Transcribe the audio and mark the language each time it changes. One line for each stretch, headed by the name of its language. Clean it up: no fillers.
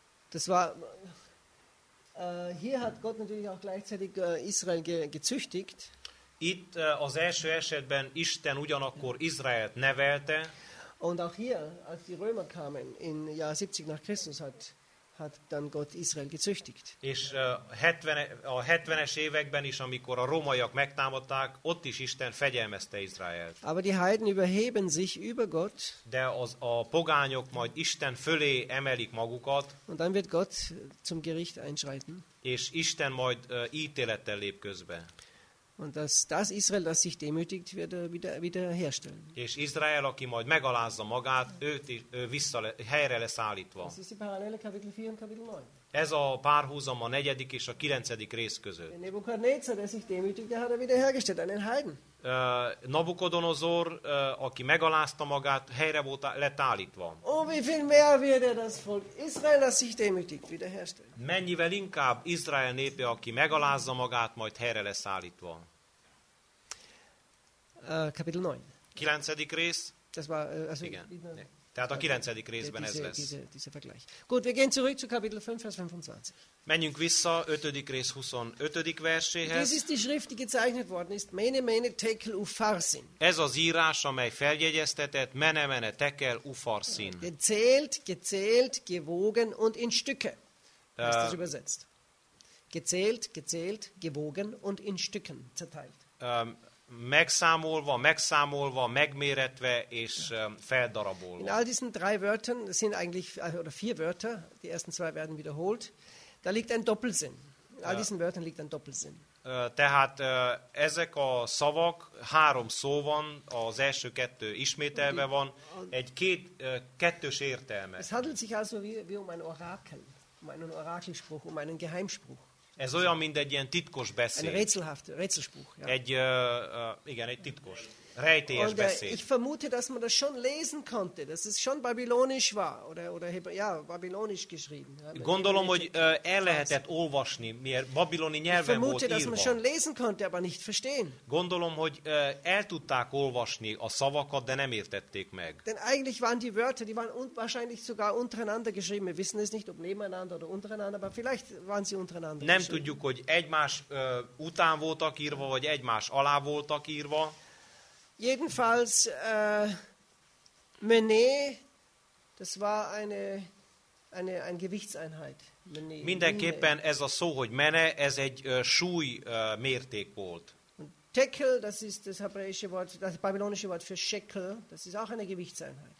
German: Das war hier hat Gott natürlich auch gleichzeitig Israel gezüchtigt.
Hungarian: Itt az első esetben Isten ugyanakkor Izraelt nevelte.
German: Und auch hier, als die Römer kamen im Jahr 70 nach Christus hat dann Gott Israel gezüchtigt.
Hungarian: És a 70-es években is, amikor a rómaiak megtámadták, ott is Isten fegyelmezte Izraelt.
German: Aber die Heiden überheben sich über Gott.
Hungarian: De a pogányok majd Isten fölé emelik magukat.
German: Und dann wird Gott zum Gericht einschreiten.
Hungarian: És Isten majd ítélettel lép közbe.
German: Und das Israel, das sich demütigt, wird wieder herstellen.
Hungarian: És Izrael, aki majd megalázza magát, őt is, ő vissza helyre lesz állítva.
German: Das ist die Parallele, Kapitel 4 und Kapitel 9.
Hungarian: Ez a párhuzam a negyedik és a kilencedik rész között.
German: Nebukadnezar, der sich demütigt, der hat wieder hergestellt, einen Heiden.
Hungarian: Nabukodonozor, aki megalázta magát, helyre volt lett állítva.
German: Oh, wie viel mehr wird das Volk Israel, das sich demütigt, wiederherstellen.
Hungarian: Mennyivel inkább Izrael népe, aki megalázza magát, majd helyre lesz állítva.
German: Kapitel 9.
Hungarian: Kilencedik rész.
German: Das war,
Hungarian: igen. Tehát a kilencedik részben ez lesz.
German: Diese Vergleich. Gut, wir gehen zurück zu Kapitel 5, Vers 25.
Hungarian: Menjünk vissza 5. rész 25. verséhez.
German: Dies ist die Schrift, die gezeichnet worden ist.
Aramaic: Mene, mene, tekel, ufarsin.
Hungarian: Ez az írás, amely feljegyeztetett,
Aramaic: mene, mene, tekel, ufarsin.
German: Gezählt, gewogen und in Stücke. Ist das übersetzt? Gezählt, gewogen und in Stücken zerteilt.
Hungarian: Megszámolva, megméretve és feldarabolva.
German: In all diesen drei Wörtern sind eigentlich, oder vier Wörter, die ersten zwei werden wiederholt, da liegt ein Doppelsinn. In all diesen Wörtern liegt ein Doppelsinn.
Hungarian: Tehát ezek a szavak, három szó van, az első kettő ismételve van, egy kettős értelme.
German: Es handelt sich also wie um ein Orakel, um einen Orakelspruch, um einen Geheimspruch.
Hungarian: Ez olyan, mint egy ilyen titkos beszéd.
German: Rätselspruch, ja.
Hungarian: Egy titkos, rejtélyes beszéd.
German: Ich vermute, dass man das schon lesen konnte, dass es schon babylonisch war, oder ja, babylonisch geschrieben.
Hungarian: Gondolom, hogy el lehetett olvasni, mert babiloni nyelven volt írva.
German: Ich vermute, dass man schon lesen konnte, aber nicht verstehen.
Hungarian: Gondolom, hogy el tudták olvasni a szavakat, de nem értették meg.
German: Denn eigentlich waren die Wörter, die waren wahrscheinlich sogar untereinander geschrieben. Wir wissen es nicht, ob nebeneinander oder untereinander, aber vielleicht waren sie untereinander.
Hungarian: Nem tudjuk, hogy egymás után voltak írva, vagy egymás alá voltak írva.
German: Jedenfalls Mene, das war ein Gewichtseinheit.
Aramaic: Mene.
Hungarian: Mindenképpen ez a szó, hogy mene, ez egy súly mérték volt.
German: Und tekel, das ist das hebräische Wort, das babylonische Wort für Shekel, das ist auch eine Gewichtseinheit.